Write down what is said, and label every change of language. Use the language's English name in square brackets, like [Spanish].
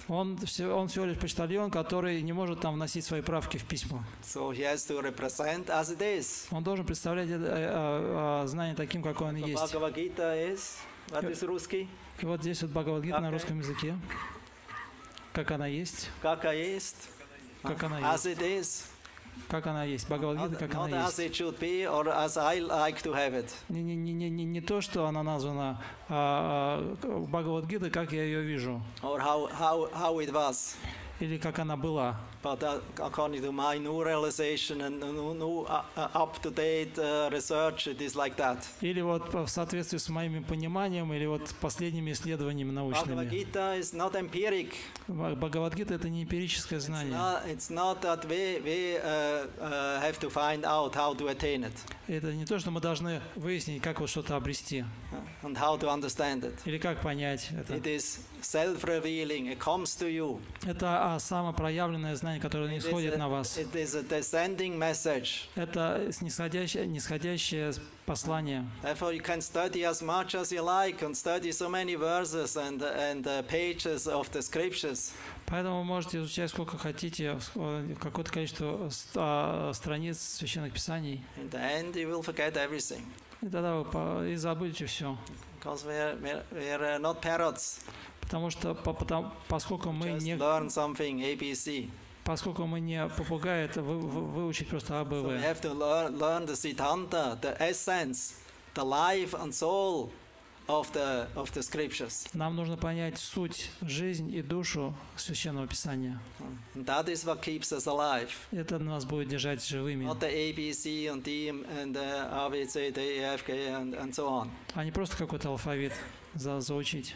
[Russian] Он всего лишь почтальон, который не может там вносить свои правки в письма. [English] So he has to represent as it is. [Russian] Он должен представлять знание таким, какое он есть. [English] Bhagavad Gita is. That is [Russian] русский. И вот здесь вот Bhagavad Gita на русском языке. Как она есть? Как она есть? Как она есть? [English] As it is. [Russian] Как она есть, Бхагавад Гита, как она есть. [English] Not as it should be, or as I like to have it. [Russian] Не то, что она названа Бхагавад Гита, как я ее вижу. [English] Or how it was. [Russian] Или как она была. [English] But according to my new realization and new up-to-date research, it is like that. [Russian] Или вот в соответствии с моими пониманием, или вот последними исследованиями научными. [English] Bhagavad Gita is not empiric. [Russian] Bhagavad Gita это не эмпирическое знание. [English] It's not that we have to find out how to attain it. [Russian] это не то, что мы должны выяснить, как вот что-то обрести. [English] And how to understand it. [Russian] Или как понять это. [English] It is self-revealing. It comes to you. [Russian] Это самопроявленное знание, которое нисходит на вас. [English] It is a descending message. [Russian] Это нисходящее послание. [English] Therefore, you can study as much as you like and study so many verses and pages of the scriptures. [Russian] Поэтому вы можете изучать сколько хотите, какое-то количество страниц священных писаний. [English] In the end, you will forget everything. [Russian] И тогда вы и забудете все. [English] Because we are not parrots. [Russian] Потому что поскольку мы [English] just [Russian] не [English] learn something, ABC. [Russian] Поскольку мы не попугаи, это выучить просто АБВ. [English] So we have to learn the Siddhanta, the essence, the life and soul of the scriptures. [Russian] Нам нужно понять суть, жизнь и душу священного писания. [English] And that is what keeps us alive. [Russian] Это нас будет держать живыми. [English] Not the ABC and D and ABC, DEFG and so on. [Russian] А не просто какой-то алфавит заучить.